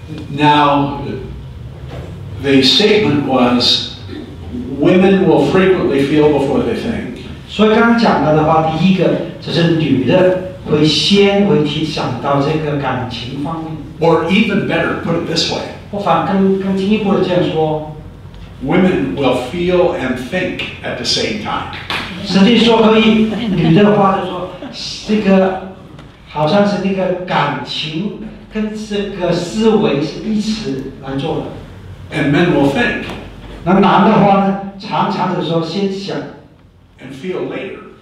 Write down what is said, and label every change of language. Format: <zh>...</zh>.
<en>Now, the statement was, women will frequently feel before they think.</en> <zh>所以刚刚讲到的话，第一个就是女的会先会提想到这个感情方面。</zh> <en>Or even better, put it this way.</en> <zh>我反更进一步的这样说</zh> <en>，Women will feel and think at the same time。</en> <zh>实际说可以，女的话就说，这个好像是那个感情跟这个思维是一起来做的。</zh> <en>And men will think。</en> <zh>那男的话呢，常常的说先想</zh> <en>，and feel later。</en>